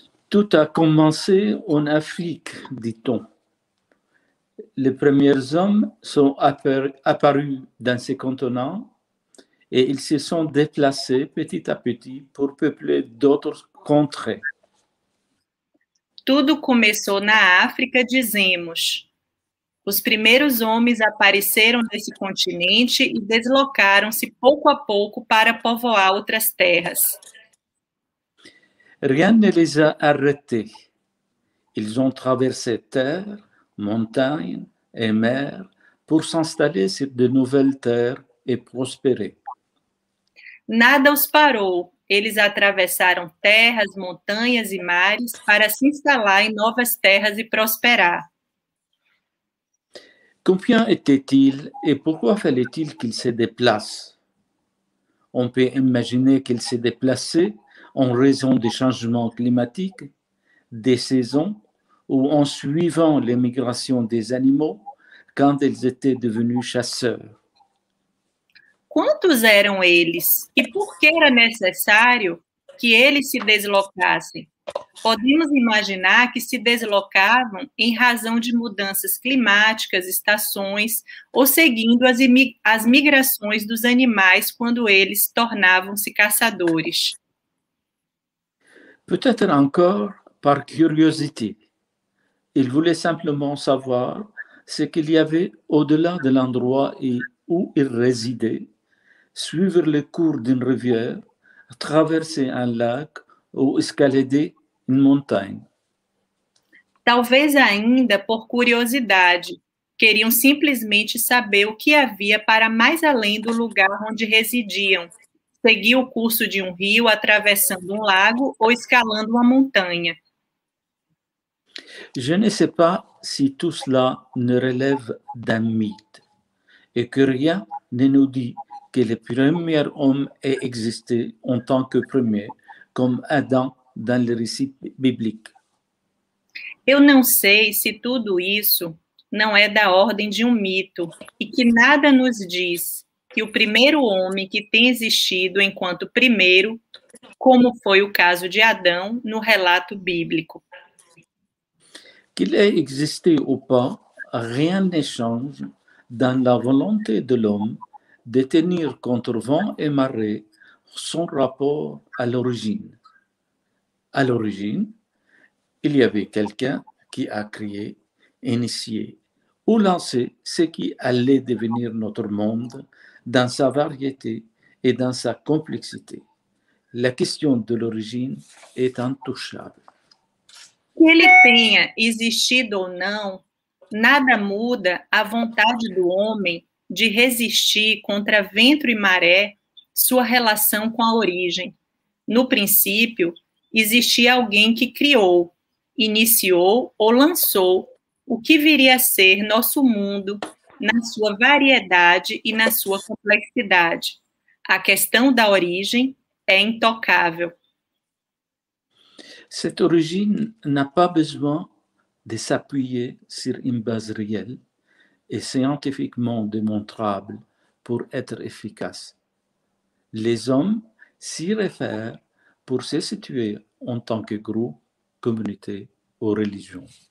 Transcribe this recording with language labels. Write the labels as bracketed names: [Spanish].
[French] Tout a commencé en Afrique, dit-on. Les premiers hommes sont apparus dans ces continents et ils se sont déplacés petit à petit pour peupler d'autres contrées. [Portuguese] Tudo começou na África, dizemos. Os primeiros homens apareceram nesse continente e deslocaram-se pouco a pouco para povoar outras terras. [French] Rien ne les a arrêtés. Ils ont traversé terre, montagne et mer pour s'installer sur de nouvelles terres et prospérer. [Portuguese] Nada os parou. Eles atravessaram terras, montanhas e mares para se instalar em novas terras e prosperar. [French] Combien étaient-ils et pourquoi fallait-il qu'ils se déplacent? On peut imaginer qu'ils se déplaçaient en raison des changements climatiques, des saisons ou en suivant les migrations des animaux quand ils étaient devenus chasseurs. [Portuguese] Quantos eram eles e por que era necessário que eles se deslocassem? Podemos imaginar que se deslocavam em razão de mudanças climáticas, estações, ou seguindo as migrações dos animais quando eles tornavam-se caçadores. [French] Peut-être encore par curiosité. Ils voulaient simplement savoir ce qu'il y avait au-delà de l'endroit où ils résidaient, suivre le cours d'une rivière, traverser un lac ou escalader une montagne. [Portuguese] Talvez ainda por curiosidade, queriam simplesmente saber o que havia para mais além do lugar onde residiam, seguir o curso de um rio, atravessando um lago ou escalando uma montanha. [French] Je ne sais pas si tout cela ne relève d'un mythe et que rien ne nous dit que le premier homme ait existé en tant que premier, comme Adam dans le récit biblique. [Portuguese] Eu não sei se tudo isso não é da ordem de um mito e que nada nos diz que o primeiro homem que tem existido enquanto primeiro, como foi o caso de Adão no relato bíblico. [French] Qu'il ait existé ou pas, rien ne change dans la volonté de l'homme de tenir contre vent et marée son rapport à l'origine. À l'origine, il y avait quelqu'un qui a créé, initié ou lancé ce qui allait devenir notre monde dans sa variété et dans sa complexité. La question de l'origine est intouchable. [Portuguese] Que ele tenha existido ou não, nada muda a vontade do homem de resistir contra vento e maré sua relação com a origem. No princípio, existia alguém que criou, iniciou ou lançou o que viria a ser nosso mundo na sua variedade e na sua complexidade. A questão da origem é intocável. [French] Cette origine n'a pas besoin de s'appuyer sur une base réelle et scientifiquement démontrable pour être efficace. Les hommes s'y réfèrent pour se situer en tant que groupe, communauté ou religion.